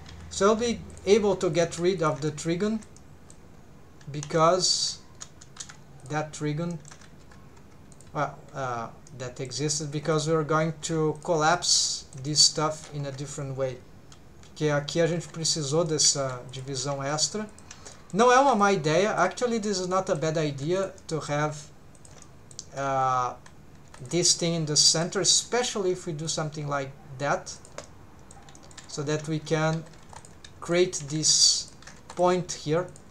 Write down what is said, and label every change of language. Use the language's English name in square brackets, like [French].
[English] So I'll be able to get rid of the trigon, because that trigon, well, that existed, because we're going to collapse this stuff in a different way. [Portuguese] Porque aqui a gente precisou dessa divisão extra. Não é uma má ideia. [English] Actually, this is not a bad idea to have this thing in the center, especially if we do something like that, so that we can create this point here.